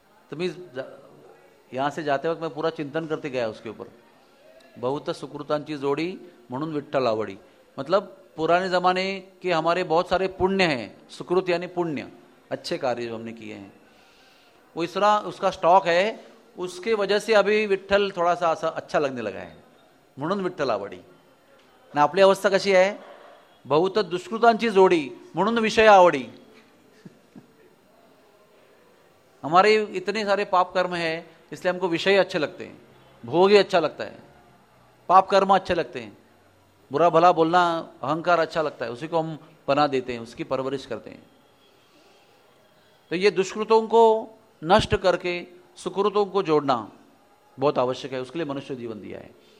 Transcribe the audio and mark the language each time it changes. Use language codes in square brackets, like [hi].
[hi] तुम्ही यहाँ से जाते वक्त मैं पूरा चिंतन करते गया उसके ऊपर, [mr] बहुत सुकृतांची जोड़ी म्हणून विठ्ठल आवडी, [hi] मतलब पुराने जमाने के हमारे बहुत सारे पुण्य हैं, सुकृत यानी पुण्य, अच्छे कार्य जो हमने किए हैं, वो इस तरह उसका स्टॉक है, उसके वजह से अभी विठ्ठल थोड़ा सा अच्छा लगने लगा है, [mr] म्हणून विठ्ठल आवडी ना। आपली अवस्था कशी आहे? बहुत दुष्कृतांची जोडी म्हणून विषय आवडी। [hi] हमारे इतने सारे पाप कर्म है, इसलिए हमको विषय अच्छे लगते हैं, भोग ही अच्छा लगता है, पाप कर्म अच्छे लगते हैं, बुरा भला बोलना, अहंकार अच्छा लगता है, उसी को हम बना देते हैं, उसकी परवरिश करते हैं। तो ये दुष्कृतों को नष्ट करके सुकृतों को जोड़ना बहुत आवश्यक है, उसके लिए मनुष्य जीवन दिया है।